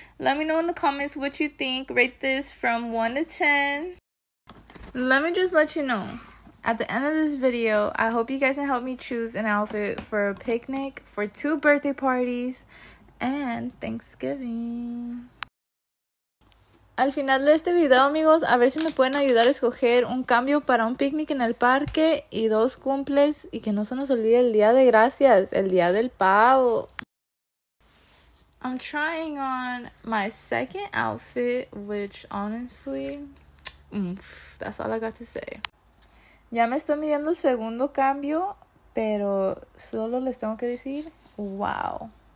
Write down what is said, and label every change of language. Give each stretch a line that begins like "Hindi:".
English: Let me know in the comments what you think. Rate this from 1 to 10. Let me just let you know. At the end of this video, I hope you guys can help me choose an outfit for a picnic, for 2 birthday parties, and Thanksgiving.
Spanish: Al final de este video, amigos, a ver si me pueden ayudar a escoger un cambio para un picnic en el parque y 2 cumples, y que no se nos olvide el día de gracias, el día del pavo.
English: I'm trying on my second outfit, which honestly, that's all I got to say.
Spanish: Ya me estoy midiendo el segundo cambio, pero solo les tengo que decir, wow.